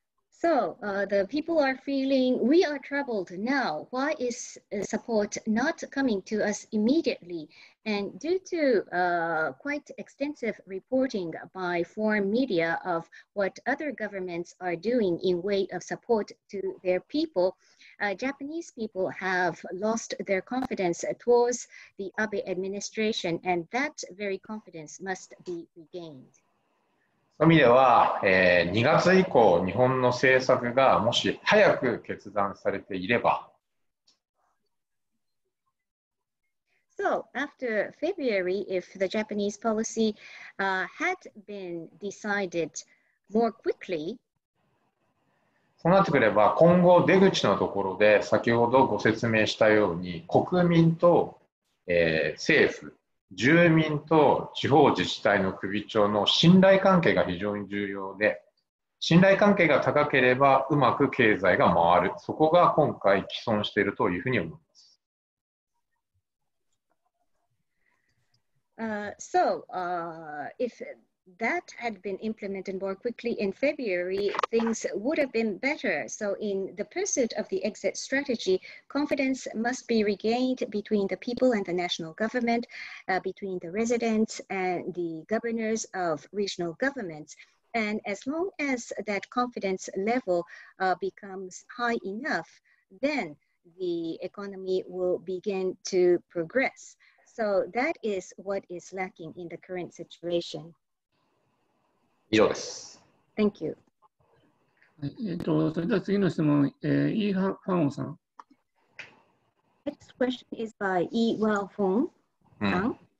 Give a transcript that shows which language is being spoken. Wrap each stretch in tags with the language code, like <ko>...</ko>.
<en>So, the people are feeling we are troubled now. Why is support not coming to us immediately? And due to quite extensive reporting by foreign media of what other governments are doing in way of support to their people, Japanese people have lost their confidence towards the Abe administration, and that very confidence must be regained.</en> <ja>そういう意味では、2月以降、日本の政策がもし早く決断されていれば。</ja> <en>So, after February, if the Japanese policy, had been decided more quickly,</en> <ja>そうなってくれば、今後出口のところで先ほどご説明したように、国民と、政府、住民と地方自治体の首長の信頼関係が非常に重要で、信頼関係が高ければうまく経済が回る。そこが今回毀損しているというふうに思います。</ja> <en>If that had been implemented more quickly in February, things would have been better. So in the pursuit of the exit strategy, confidence must be regained between the people and the national government, between the residents and the governors of regional governments. And as long as that confidence level becomes high enough, then the economy will begin to progress. So that is what is lacking in the current situation.</en> <ja>以上です。</ja> <en>Thank you.</en> <ja>それでは次の質問、イーハファンオさん。</ja> <en>Next question is by イーワーフォンさん。</en>